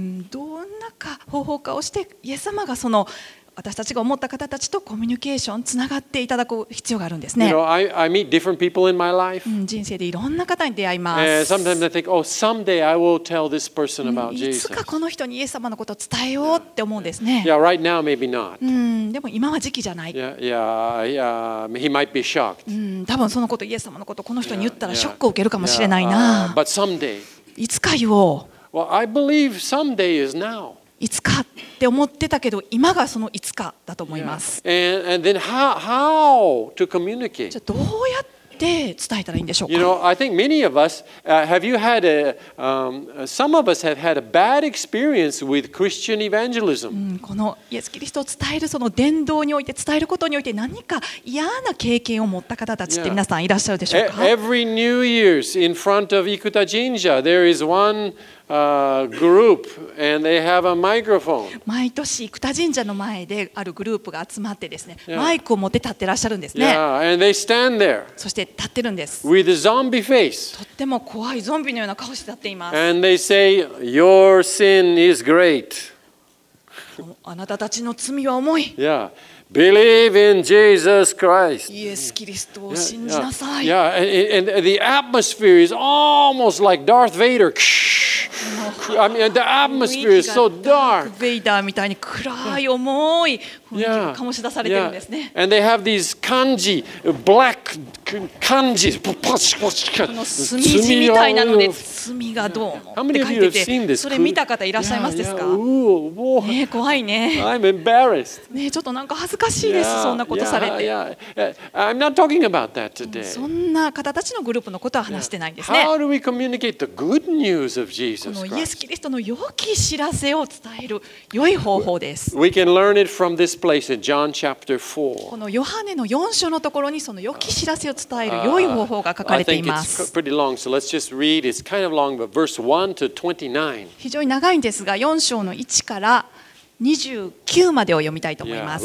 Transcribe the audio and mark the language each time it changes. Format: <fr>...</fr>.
<ja>どんなか方法かをして、イエス様がその私たちが思った方たちとコミュニケーション、つながっていただく必要があるんですね。</ja> <en>You know, I meet different people in my life.</en> <ja>人生でいろんな方に出会います。</ja> <en>Sometimes I think, oh, someday I will tell this person about Jesus.</en> <ja>いつかこの人にイエス様のことを伝えようって思うんですね。</ja> <en>Yeah, right now maybe not.</en> <ja>でも今は時期じゃない。</ja> <en>Yeah, he might be shocked.</en> <ja>多分そのことイエス様のことをこの人に言ったらショックを受けるかもしれないな。</ja> <en>But someday.</en> <ja>いつか言おう。</ja> <en>Well, I believe someday is now.</en> <ja>いつかって思ってたけど今がそのいつかだと思います、</ja> <en>and then how to communicate?</en> <ja>じゃあどうやって伝えたらいいんでしょうか</ja> <en>you know, I think many of us, have you had a, some of us have had a bad experience with Christian evangelism.</en> <ja>このイエス・キリストを伝えるその伝道において伝えることにおいて何か嫌な経験を持った方たちって皆さんいらっしゃるでしょうか</ja> <en>Every New Year's in front of Ikuta Jinja, there is oneGroup and they have a microphone.</en> <ja>毎年生田神社の前であるグループが集まってですね、マイクを持って立ってらっしゃるんですね。</ja> <en>And they stand there.</en> <ja>そして立ってるんです。</ja> <en>With a zombie face.</en> <ja>とっても怖いゾンビのような顔して立っています。</ja> <en>And they say, "Your sin is great."</en> <ja>あなたたちの罪は重い。</ja> <en>Yeah, believe in Jesus Christ.</en> <ja>イエス・キリストを信じなさい。</ja> <en>Yeah, and the atmosphere is almost like Darth Vader. I mean, the atmosphere is so dark.</en> <ja>ベイダーみたいに暗い重い雰囲気を醸し出されてるんですね。</ja> <en>And they have these kanji, black</en> <ja>漢字、パパシパシパシ、炭みたいなので、炭がどうもって書いてて、それ見た方いらっしゃいますですか？ね、怖いね。</ja> <en>I'm embarrassed.</en> <ja>ね、ちょっとなんか恥ずかしいです、そんなことされて。</ja> <en>I'm not talking about that today.</en> <ja>そんな方たちのグループのことは話してないんですね。</ja> <en>How do we communicate the good news of Jesus Christ?</en> <ja>このイエス・キリストの良き知らせを伝える良い方法です。</ja> <en>We can learn it from this place in John chapter 4.</en> <ja>このヨハネの4章のところにその良き知らせを伝える良い方法が書かれています。</ja> <en>I think it's pretty long, so let's just read. It's kind of long, but verse 1 to 29.</en> <ja>非常に長いんですが、4章の1から29までを読みたいと思います。</ja>